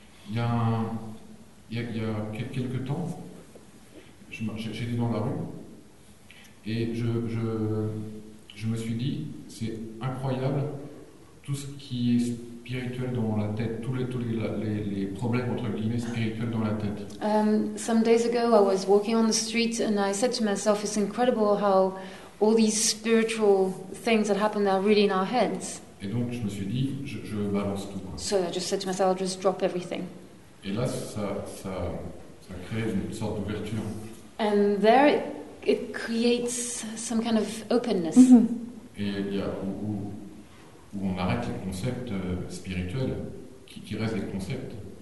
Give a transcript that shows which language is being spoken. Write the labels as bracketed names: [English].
[French] Il y a quelques temps, j'étais dans la rue et je me suis dit, c'est incroyable tout ce qui est spirituel dans la tête, tous les problèmes entre guillemets spirituels dans la tête. [English] Some days ago, I was walking on the street and I said to myself, it's incredible how all these spiritual things that happen that are really in our heads. [French] Et donc je me suis dit, je balance tout. [English] So I just said to myself, I'll just drop everything. [French] Et là, ça crée une sorte d'ouverture. [English] And there, it creates some kind of openness. Mm-hmm. [French] Et il y a où on arrête les concepts spirituels, qui restent des concepts.